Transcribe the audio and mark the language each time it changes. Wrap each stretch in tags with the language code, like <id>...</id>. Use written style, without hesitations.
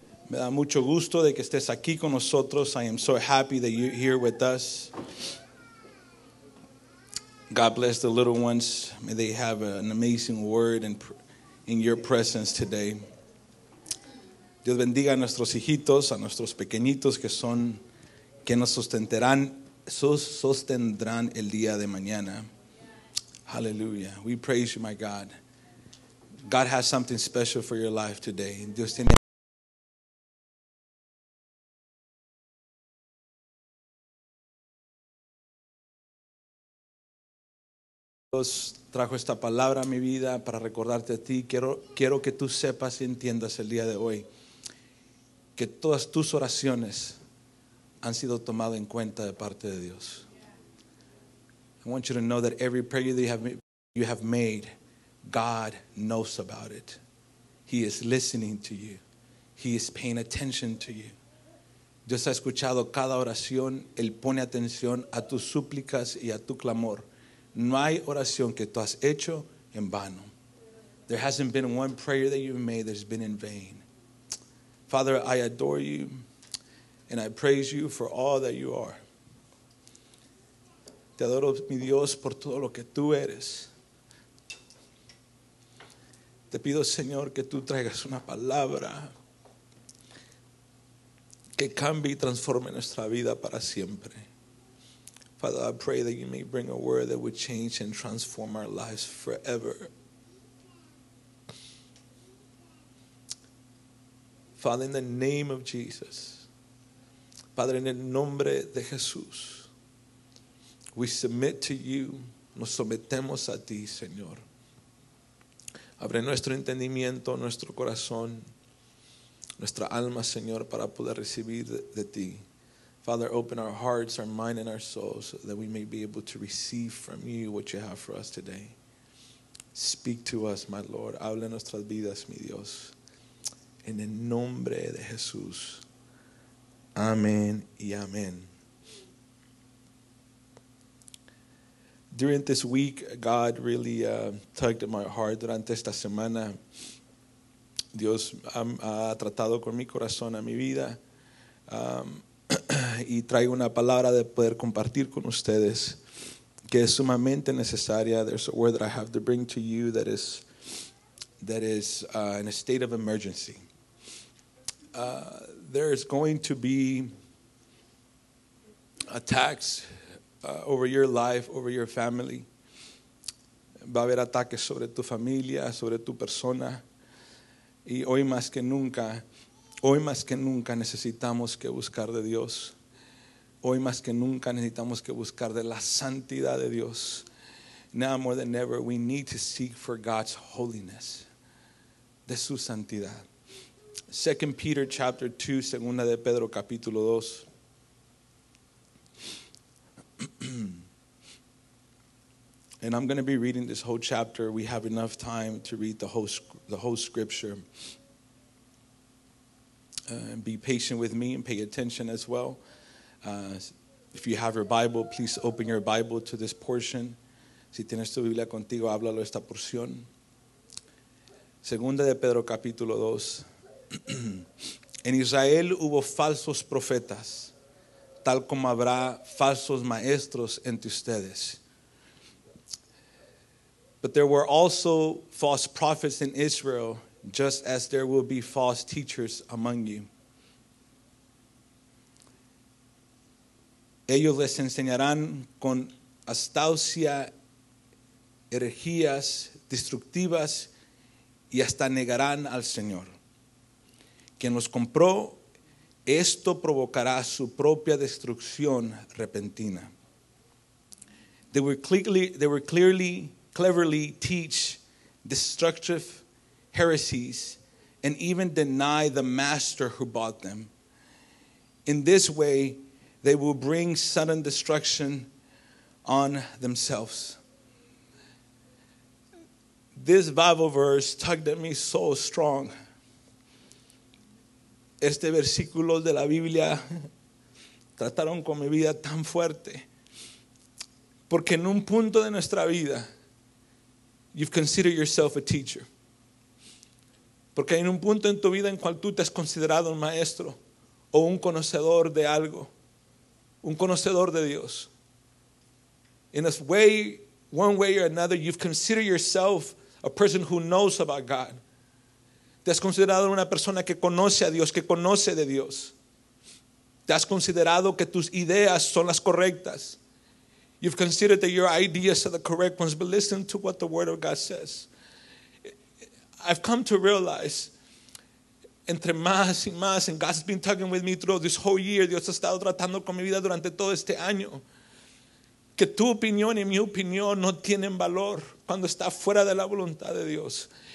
<es>Me da mucho gusto de que estés aquí con nosotros.</es> <en>I am so happy that you're here with us. God bless the little ones. May they have an amazing word in your presence today.</en> <es>Dios bendiga a nuestros hijitos, a nuestros pequeñitos que son, que nos sostendrán el día de mañana.</es> <en>Hallelujah. We praise you, my God. God has something special for your life today.</en> <es>Dios tiene. Dios trajo esta palabra a mi vida para recordarte a ti. Quiero que tú sepas y entiendas el día de hoy que todas tus oraciones han sido tomadas en cuenta de parte de Dios.</es> <en>I want you to know that every prayer that you have made, God knows about it. He is listening to you. He is paying attention to you.</en> <es>Dios ha escuchado cada oración. Él pone atención a tus súplicas y a tu clamor. No hay oración que tú has hecho en vano.</es> <en>There hasn't been one prayer that you've made that's been in vain. Father, I adore you and I praise you for all that you are.</en> <es>Te adoro, mi Dios, por todo lo que tú eres. Te pido, Señor, que tú traigas una palabra que cambie y transforme nuestra vida para siempre.</es> <en>Father, I pray that you may bring a word that would change and transform our lives forever. Father, in the name of Jesus,</en> <es>Padre, en el nombre de Jesús,</es> <en>we submit to you,</en> <es>nos sometemos a ti, Señor. Abre nuestro entendimiento, nuestro corazón, nuestra alma, Señor, para poder recibir de ti.</es> <en>Father, open our hearts, our mind, and our souls so that we may be able to receive from you what you have for us today. Speak to us, my Lord.</en> <es>Habla nuestras vidas, mi Dios. En el nombre de Jesús. Amén y amén.</es> <en>During this week, God really tugged at my heart.</en> <es>Durante esta semana, Dios ha tratado con mi corazón, a mi vida. Y traigo una palabra de poder compartir con ustedes que es sumamente necesaria.</es> <en>There's a word that I have to bring to you that is in a state of emergency. There is going to be attacks over your life, over your family.</en> <es>Va a haber ataques sobre tu familia, sobre tu persona. Y hoy más que nunca necesitamos que buscar de Dios. Hoy más que nunca necesitamos que buscar de la santidad de Dios.</es> <en>Now more than ever, we need to seek for God's holiness,</en> <es>de su santidad.</es> <en>2 Peter chapter 2,</en> <es>segunda de Pedro capítulo 2.</es> <en>And I'm going to be reading this whole chapter. We have enough time to read the whole scripture. Be patient with me and pay attention as well. If you have your Bible, please open your Bible to this portion.</en> <es>Si tienes tu Biblia contigo, háblalo esta porción. Segunda de Pedro capítulo 2. En Israel hubo falsos profetas, tal como habrá falsos maestros entre ustedes.</es> <en>But there were also false prophets in Israel, just as there will be false teachers among you.</en> <es>Ellos les enseñarán con astucia herejías destructivas y hasta negarán al Señor, quien los compró. Esto provocará su propia destrucción repentina.</es> <en>They will cleverly teach destructive heresies and even deny the master who bought them. In this way, they will bring sudden destruction on themselves. This Bible verse tugged at me so strong.</en> <es>este versículo de la Biblia trataron con mi vida tan fuerte. Porque en un punto de nuestra vida,</es> <en>you've considered yourself a teacher.</en> <es>Porque en un punto en tu vida en cual tú te has considerado un maestro o un conocedor de algo, un conocedor de Dios.</es> <en>In a way, one way or another, you've considered yourself a person who knows about God.</en> <es>Te has considerado una persona que conoce a Dios, que conoce de Dios. Te has considerado que tus ideas son las correctas.</es> <en>You've considered that your ideas are the correct ones, but listen to what the Word of God says. I've come to realize,</en> <es>entre más y más,</es> <en>and God's been talking with me throughout this whole year,</en> <es>Dios ha estado tratando con mi vida durante todo este año, que tu opinión y mi opinión no tienen valor cuando está fuera de la voluntad de Dios.</es>